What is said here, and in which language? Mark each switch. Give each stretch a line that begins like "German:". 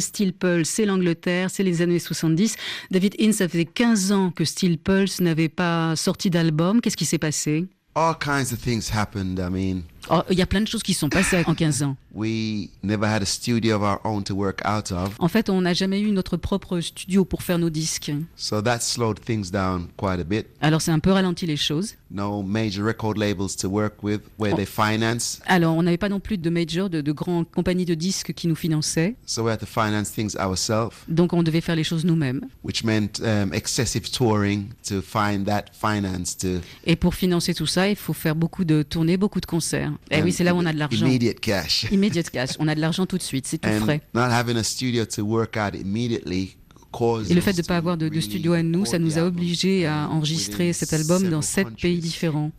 French: Steel Pulse, c'est l'Angleterre, c'est les années 70. David Haynes, ça faisait 15 ans que Steel Pulse n'avait pas sorti d'album. Qu'est-ce qui s'est passé?
English: All kinds of things happened, I mean.
French: Il y a plein de choses qui se sont passées en 15 ans.
English: We never had a studio of our own to work out of.
French: En fait, on n'a jamais eu notre propre studio pour faire nos disques.
English: So that slowed things down quite a bit.
French: Alors, c'est un peu ralenti les choses.
English: No major record labels to work with, where they finance.
French: Alors, on n'avait pas non plus de major, de grandes compagnies de disques qui nous finançaient.
English: So we had to finance things ourselves.
French: Donc, on devait faire les choses nous-mêmes.
English: Which meant excessive touring to find that finance to.
French: Et pour financer tout ça, il faut faire beaucoup de tournées, beaucoup de concerts. Eh oui, c'est là où on a de l'argent.
English: Immediate cash. Immediate cash.
French: On a de l'argent tout de suite, c'est tout frais.
English: Not having a studio to work out immediately.
French: Et le fait de ne pas avoir de studio à nous, ça nous a obligés à enregistrer cet album dans 7 pays différents.